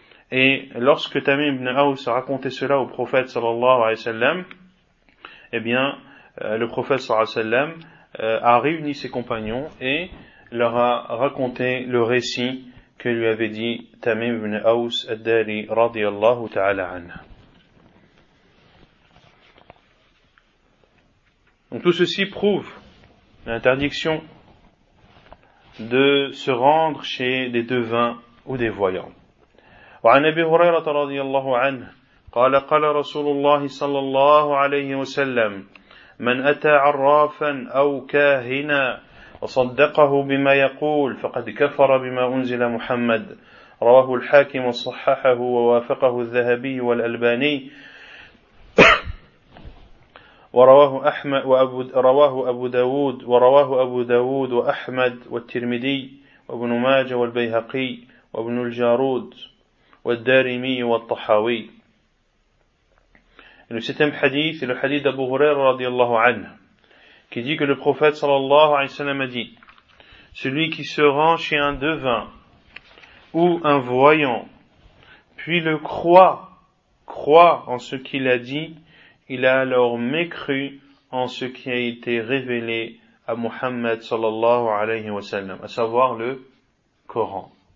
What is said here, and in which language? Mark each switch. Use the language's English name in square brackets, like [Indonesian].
[French] Et lorsque Tamim ibn Aws a raconté cela au prophète sallallahu alayhi wa sallam, eh bien le prophète sallallahu alayhi wa sallam a réuni ses compagnons et leur a raconté le récit que lui avait dit Tamim ibn Aws Ad-Dari radiyallahu ta'ala anha. Donc tout ceci prouve l'interdiction de se rendre chez des devins ou des voyants. [Arabic] وعن أبي هريرة رضي الله عنه قال قال رسول الله صلى الله عليه وسلم من أتى عرافا أو كاهنا وصدقه بما يقول فقد كفر بما أنزل محمد رواه الحاكم وصححه ووافقه الذهبي والألباني ورواه أبو داود ورواه أبو داود وأحمد والترمذي وابن ماجه والبيهقي وابن الجارود والدارمي والطحاوي. [French] Le septième hadith est le hadith d'Abu Huraira radiallahu anhu qui dit que le prophète sallallahu alayhi wa sallam a dit: celui qui se rend chez un devin ou un voyant puis le croit en ce qu'il a dit, il a alors mécru en ce qui a été révélé à Muhammad sallallahu alayhi wa sallam, à savoir le Coran.